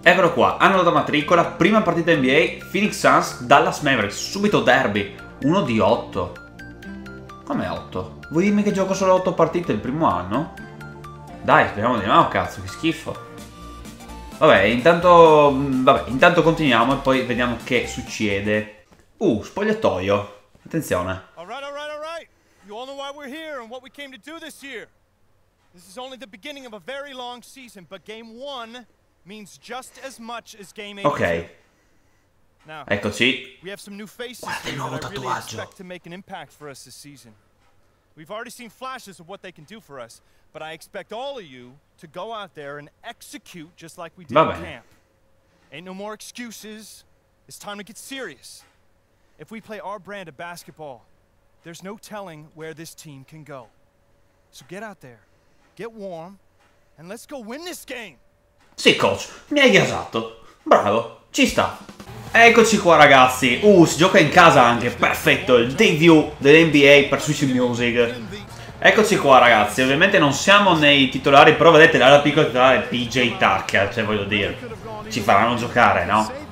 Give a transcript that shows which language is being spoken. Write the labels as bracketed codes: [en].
[it] Eccolo qua, anno da matricola, prima partita NBA, Phoenix Suns, Dallas Mavericks, subito derby, 1 di 8. Come 8? Vuoi dirmi che gioco solo 8 partite il primo anno? Dai, speriamo di no, cazzo, che schifo. Vabbè, intanto continuiamo e poi vediamo che succede. Spogliatoio. Attenzione. [en] All right. You all know why we're here and what we came to do this year. This is only the beginning of a very long season, but game 1 means just as much as game 8. Okay. Now, [it] eccoci. [en] We have some new faces. [it] Guarda il nuovo tatuaggio. [en] Expect to make an impact for us this season. We've already seen flashes of what they can do for us, but I expect all of you to go out there and execute just like we did in camp. Ain't no more excuses. It's time to get serious. If we play our brand of basketball, there's no telling where this team can go. So get out there, get warm, and let's go win this game. [it] Sì, coach, mi hai gasato. Bravo, ci sta. Eccoci qua ragazzi, si gioca in casa anche, perfetto, il debut dell'NBA per Switch Music. Eccoci qua ragazzi, ovviamente non siamo nei titolari, però vedete la piccola titolare PJ Tucker, cioè voglio dire, ci faranno giocare, no?